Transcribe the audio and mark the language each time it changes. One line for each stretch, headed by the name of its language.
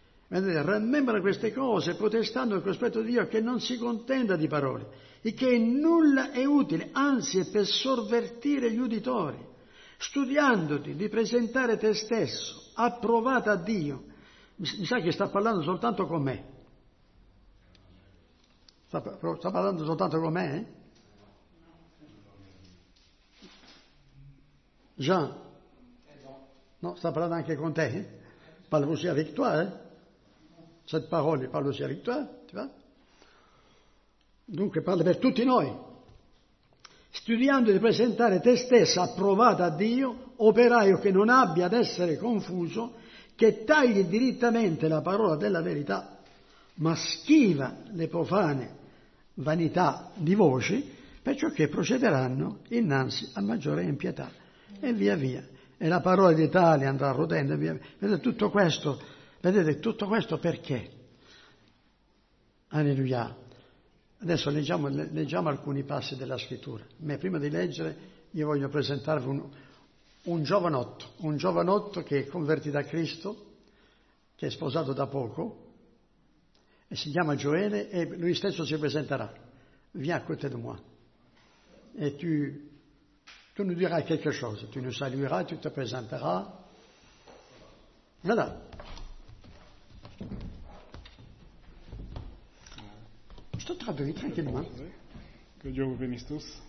Italian: Vedete, rammembra queste cose, protestando il cospetto di Dio, che non si contenda di parole, e che nulla è utile, anzi è per sorvertire gli uditori, studiandoti di presentare te stesso, approvata a Dio. Mi sa che sta parlando soltanto con me. Sta parlando soltanto con me? Jean? No, sta parlando anche con te?
French: Parla aussi avec toi, Cette parole parla aussi avec toi, tu vois?
Italian: Dunque parla per tutti noi. Studiando di presentare te stessa approvata a Dio, operaio che non abbia ad essere confuso, che tagli direttamente la parola della verità, ma schiva le profane vanità di voci, perciò che procederanno innanzi a maggiore impietà. E via via. E la parola di tale andrà rodendo, via via. Vedete tutto questo? Vedete tutto questo perché? Alleluia. Adesso leggiamo alcuni passi della scrittura. Ma prima di leggere, io voglio presentarvi un giovanotto che è convertito a Cristo, che è sposato da poco, e si chiama Gioele, e lui stesso si presenterà.
French: Viens à côté de moi. E tu nous diras quelque chose. Tu nous salueras, tu te présenteras. Voilà. Je te traduis tranquillement. Que Dieu vous bénisse tous.